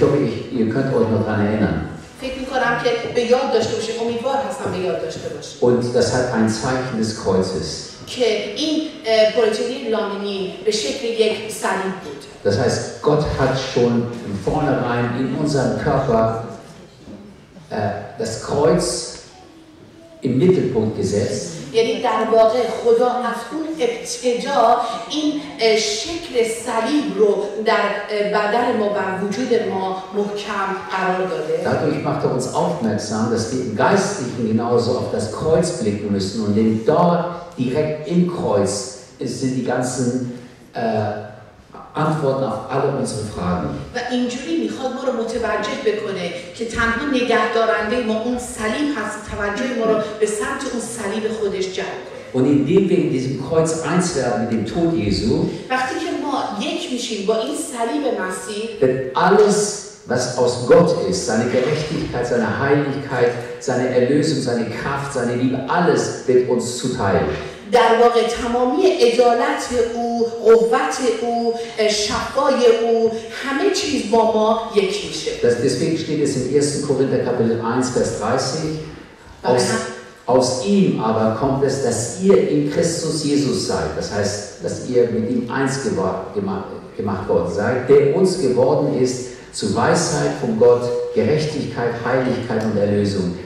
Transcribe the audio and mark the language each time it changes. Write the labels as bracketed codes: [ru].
[de] Ich hoffe, ihr könnt euch noch daran erinnern. [fa] فکر میکنم که به یاد داشته باشه. امیدوار هستم به یاد داشته باشه. [de] Und das hat ein Zeichen des Kreuzes. [fa] که این پروتئین لامینین به شکل یک صلیب بود. [de] Das heißt, Gott hat schon von vornherein in unserem Körper das Kreuz im Mittelpunkt gesetzt. [fa] یعنی در واقع خدا از اون ابتدا این شکل صلیب رو در بدن ما بر وجود ما محکم قرار داده. [de] Dadurch macht uns aufmerksam, dass wir im Geistlichen genauso auf das Kreuz blicken müssen und denn dort direkt im Kreuz sind die ganzen Antworten auf alle unsere Fragen. [fa] و اینجوری میخواد ما رو متوجه بکنه که تنها نگهدارنده ما اون صلیب هست، توجه ما رو به سمت اون صلیب خودش جلب کنه. [de] Und indem wir in diesem Kreuz eins werden mit dem Tod Jesu, [fa] وقتی که ما یک میشیم با این صلیب مسیح, [de] wird alles, was aus Gott ist, seine Gerechtigkeit, seine Heiligkeit, seine Erlösung, seine Kraft, seine Liebe, alles wird uns zuteil. [fa] در واقع تمامی عدالت او، قوت او، شفای او، همه چیز با ما یکی میشه. [de] Das deswegen steht es in 1. Korinther Kapitel 1 Vers 30. Aus ihm aber kommt es, dass ihr in Christus Jesus seid. Das heißt, dass ihr mit ihm eins gemacht worden seid, der uns geworden ist zu Weisheit von Gott, Gerechtigkeit, Heiligkeit und Erlösung.